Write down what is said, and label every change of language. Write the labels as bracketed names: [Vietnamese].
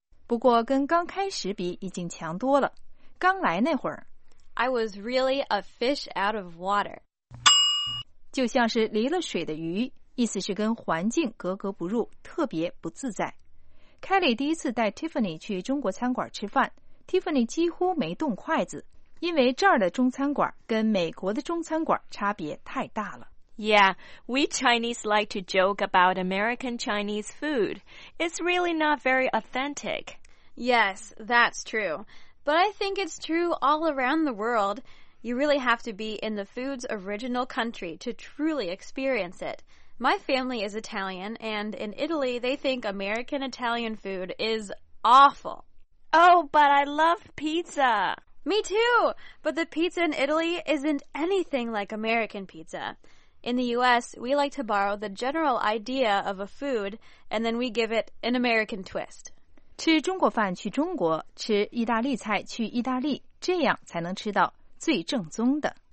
[Chinese] 不过跟刚开始比已经强多了。刚来那会儿 [English] I was really a fish out of water. [Chinese] 就像是离了水的鱼，意思是跟环境格格不入，特别不自在。 Kelly 第一次带 Tiffany 去中国餐馆吃饭。Tiffany 几乎没动筷子，因为这儿的中餐馆跟美国的中餐馆差别太大了。 [English] Yeah, we Chinese like to joke about American Chinese food. It's really not very authentic. Yes, that's true. But I think it's true all around the world. You really have to be in the food's original country to truly experience it. My family is Italian, and in Italy, they think American Italian food is awful. Oh, but I love pizza. Me too. But the pizza in Italy isn't anything like American pizza. In the U.S., we like to borrow the general idea of a food, and then we give it an American twist. [Chinese] 吃中国饭去中国，吃意大利菜去意大利，这样才能吃到最正宗的。